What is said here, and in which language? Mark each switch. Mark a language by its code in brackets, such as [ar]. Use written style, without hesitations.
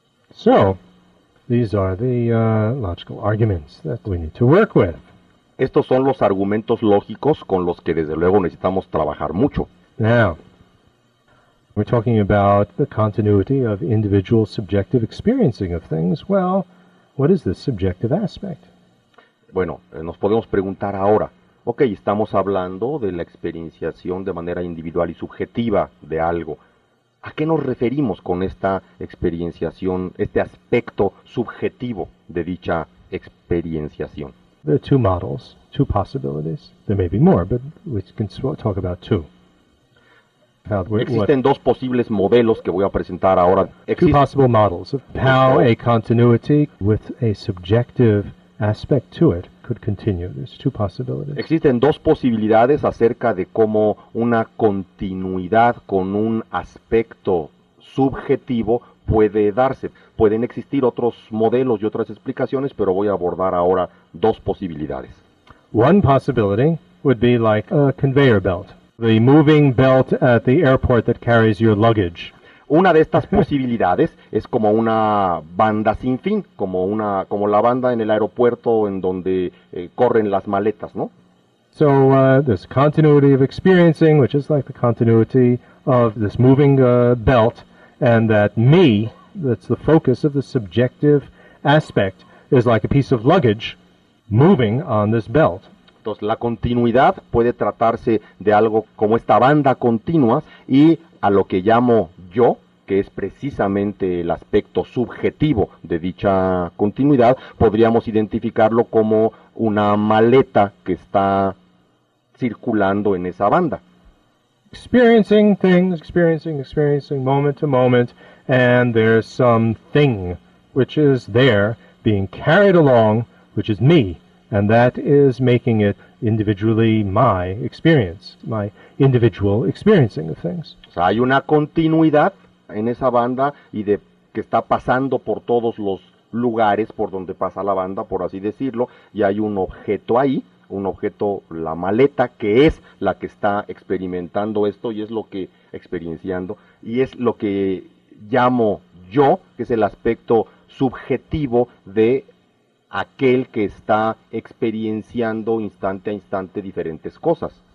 [en] So, these are the logical arguments that we need to work with. [es] Estos son los argumentos lógicos con los que desde luego necesitamos trabajar mucho. [en] Now, we're talking about the continuity of individual subjective experiencing of things. Well, what is this subjective aspect? [es] Bueno, nos podemos preguntar ahora, ok, estamos hablando de la experienciación de manera individual y subjetiva de algo. ¿A qué nos referimos con esta experienciación, este aspecto subjetivo de dicha experienciación? [en] There are two models, two possibilities. There may be more, but we can talk about two. [es] Existen dos posibles modelos que voy a presentar ahora. [en] Two possible models of how a continuity with a subjective aspect to it could continue. There's two possibilities. [es] Existen dos posibilidades acerca de cómo una continuidad con un aspecto subjetivo puede darse. Pueden existir otros modelos y otras explicaciones, pero voy a abordar ahora dos posibilidades. [en] One possibility would be like a conveyor belt, the moving belt at the airport that carries your luggage. [es] Una de estas posibilidades es como una banda sin fin, como la banda en el aeropuerto en donde corren las maletas, ¿no? [en] So this continuity of experiencing, which is like the continuity of this moving belt, and that me, that's the focus of the subjective aspect, is like a piece of luggage moving on this belt. [es] Entonces, la continuidad puede tratarse de algo como esta banda continua, y a lo que llamo yo, que es precisamente el aspecto subjetivo de dicha continuidad, podríamos identificarlo como una maleta que está circulando en esa banda. [en] Experiencing things, experiencing moment to moment, and there's some thing which is there being carried along, which is me, and that is making it individually my experience, my individual experiencing of things. [es] O sea, hay una continuidad en esa banda y de que está pasando por todos los lugares por donde pasa la banda, por así decirlo, y hay un objeto ahí. Un objeto, la maleta, que es la que está experimentando esto y es lo que experienciando, y es lo que llamo yo, que es el aspecto subjetivo de aquel que está experienciando instante a instante diferentes cosas.